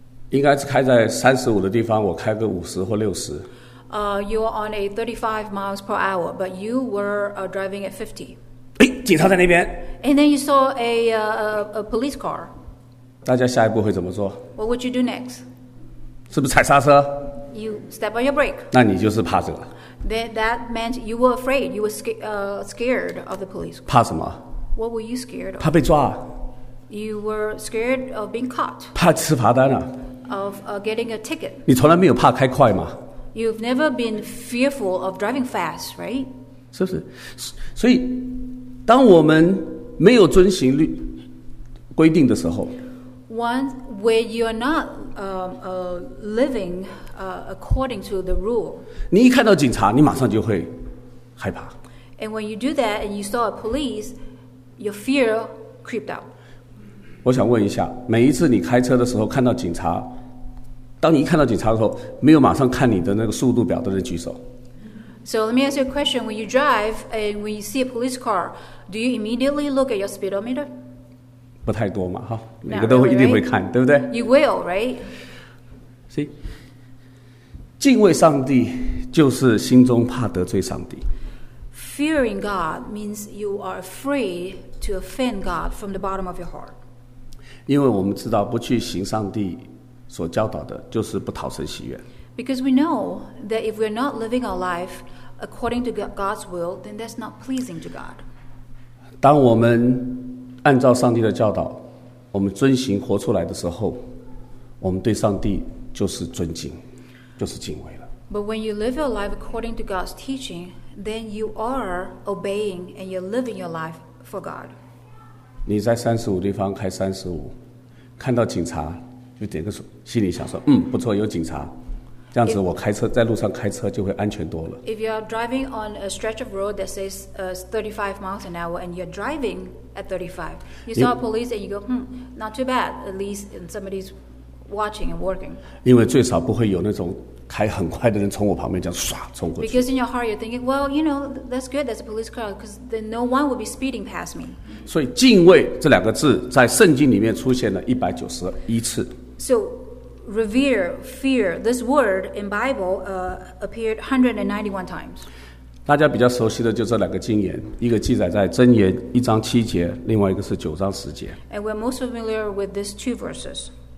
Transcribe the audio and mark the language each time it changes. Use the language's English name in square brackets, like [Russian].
[Chinese] 应该是开在35的地方，我开个50或60 [English] You are on a 35 miles per hour, but you were driving at 50. [Chinese] 诶，警察在那边。 [English] And then you saw a police car. [Chinese] 大家下一步会怎么做？ [English] What would you do next? [Chinese] 是不是踩刹车？ [English] You step on your brake. [Chinese] 那你就是怕这个。 [English] That meant you were afraid, you were scared of the police car. [Chinese] 怕什么？ [English] What were you scared of? [Chinese] 怕被抓。 [English] You were scared of being caught. [Chinese] 怕吃罚单啊。 [English] Of getting a ticket. [Chinese] 你从来没有怕开快吗？ [English] You've never been fearful of driving fast, right? [Chinese] 是不是？所以，当我们没有遵行律规定的时候 [English] ，Once when you're not living according to the rule, [Chinese] 你一看到警察，你马上就会害怕。 [English] And when you do that, and you saw a police. Your fear creeped out. [Chinese] 我想问一下，每一次你开车的时候看到警察，当你一看到警察的时候，没有马上看你的那个速度表的人举手。 [English] So let me ask you a question. When you drive and when you see a police car, do you immediately look at your speedometer? [Chinese] 不太多嘛，哈，每个都会一定会看，对不对 [English] ？You will, right? [Chinese] See, 敬畏上帝就是心中怕得罪上帝。 [English] Fearing God means you are afraid to offend God from the bottom of your heart. [Chinese] 因为我们知道不去行上帝所教导的，就是不讨神喜悦。 [English] Because we know that if we're not living our life according to God's will, then that's not pleasing to God. [Chinese] 当我们按照上帝的教导，我们遵行活出来的时候，我们对上帝就是尊敬，就是敬畏了。 [English] But when you live your life according to God's teaching, then you are obeying and you're living your life for God. [Chinese] 你在三十五地方开三十五，看到警察，就点个手，心里想说，嗯，不错，有警察。这样子我开车在路上开车就会安全多了。 [English] If you are driving on a stretch of road that says 35 miles an hour and you're driving at 35, you saw police and you go, not too bad, at least somebody's watching and working. [Chinese] 因为最少不会有那种开很快的人从我旁边这样刷冲过去。 [English] Because in your heart you're thinking, well, you know, that's good, that's a police car, because then no one will be speeding past me. [Chinese] 所以敬畏这两个字在圣经里面出现了191次。 [English] So,Revere, fear, this word in Bible appeared 191 times. [Chinese] 大家比较熟悉的就这两个经言，一个记载在箴言一章七节，另外一个是九章十节。 [English] And we're most familiar with these two verses.